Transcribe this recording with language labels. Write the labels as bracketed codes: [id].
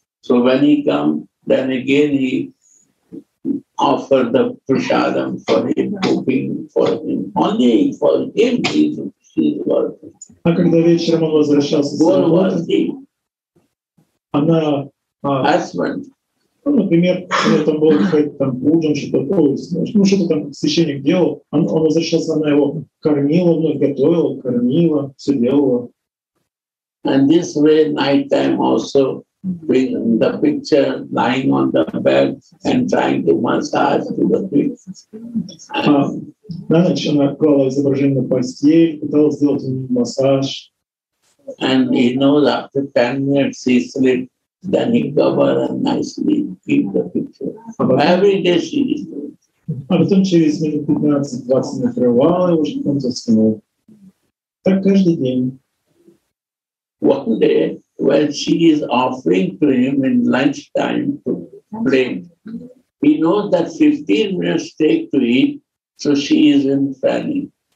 [en] So when he comes, then again he offer the prasadam for him, cooking for him, only for him he do his work. [ru] А когда вечером он возвращался с работы? [en] Who was he? [ru] Она, [en] husband. [ru] Ну, например, когда там был какой-то там ужин, что-то, ну, что-то там священник делал, он возвращался, она его кормила, вновь готовила, кормила, все делала. [en] And this way, night time also, with the picture lying on the bed and trying to massage to the feet. [ru] На ночь она клала изображение на постель, пыталась сделать ему массаж. [en] And he knows after 10 minutes he sleep. Then he cover and nicely keep the picture. Every day she is doing. [ru] А потом через минут 15-20 накрывала его, чтобы он заснул. Так каждый день. [en] One day, when she is offering to him in lunch time to play, he knows that 15 minutes take to eat, so she is in fanny.